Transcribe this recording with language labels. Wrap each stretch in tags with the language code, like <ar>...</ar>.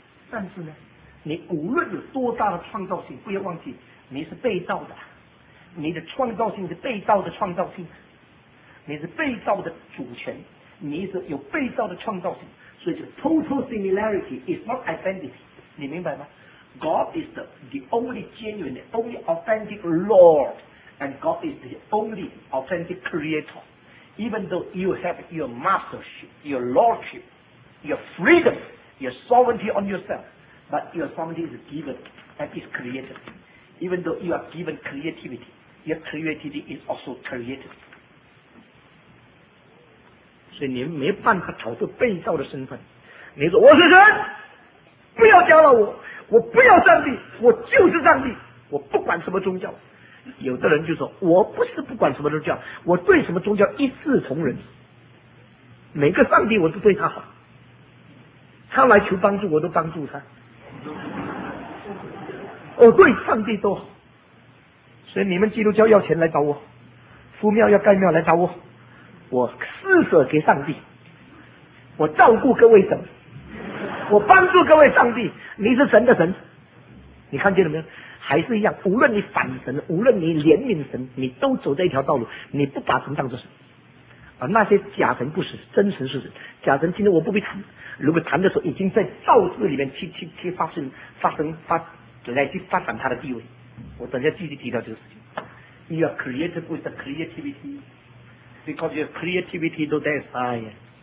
<zh>但是呢，你无论有多大的创造性，不要忘记你是被造的，你的创造性是被造的创造性，你是被造的主权，你是有被造的创造性。所以就</zh> <en>total similarity is not identity，</en> <zh>你明白吗？</zh> <en>God is the only genuine, the only authentic Lord, and God is the only authentic creator. Even though you have your mastership, your lordship, your freedom, your sovereignty on yourself, but your sovereignty is given and is created. Even though you are given creativity, your creativity is also created.</en> <zh>所以你没办法逃脱被造的身份。你说我是神，不要教了我，我不要上帝，我就是上帝，我不管什么宗教。有的人就说我不是不管什么宗教，我对什么宗教一视同仁，每个上帝我都对他好，他来求帮助我都帮助他，我对上帝都好。所以你们基督教要钱来找我，福庙要盖庙来找我，我施舍给上帝，我照顾各位神，我帮助各位上帝，你是神的神，你看见了没有？还是一样，无论你反神，无论你怜悯神，你都走这一条道路，你不把神当作神。而那些假神不是真神，是神。假神今天我不必谈，如果谈的时候已经在造字里面去发展他的地位，我等一下继续提到这个事情。</zh> <en>You are created with the creativityBecause there's creativity, though there's science.</en>